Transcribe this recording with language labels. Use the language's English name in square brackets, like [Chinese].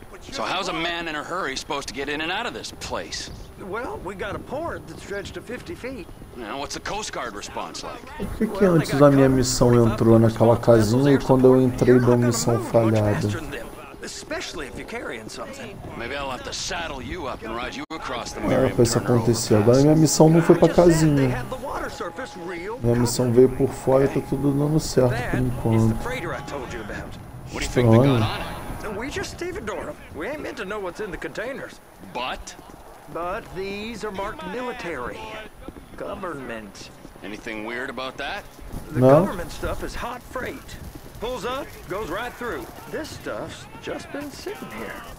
[English] So how's a man in a hurry supposed to get in and out of this place? Well, we got a port that stretched to 50 feet. Now what's the Coast Guard response like? [Portuguese] Por que, que antes a minha missão entrou naquela casinha e quando eu entrei deu missão falhada? [English] Especially if you're carrying something. Maybe I'll have to saddle you up and ride you across the [Portuguese] Era pra isso acontecer. Agora minha missão não foi pra casinha. Minha missão veio por fora e tá tudo dando certo por enquanto. Estranho. [English] We just stevedore them. We ain't meant to know what's in the containers. But these are marked military. Government. Anything weird about that? The government stuff is hot freight. Pulls up, goes right through. This stuff's just been sitting here.